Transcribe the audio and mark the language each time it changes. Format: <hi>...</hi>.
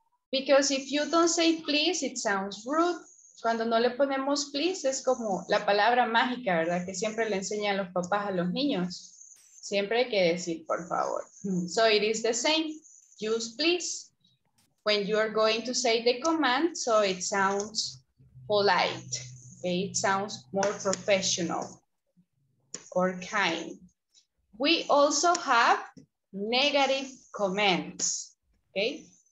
<en>Because if you don't say please, it sounds rude.</en> <es>Cuando no le ponemos please, es como la palabra mágica, ¿verdad? Que siempre le enseñan los papás a los niños. Siempre hay que decir por favor.</es> <en>So it is the same. Use please when you are going to say the command, so it sounds polite. Okay? It sounds more professional or kind. We also have negative commands. Okay?</en>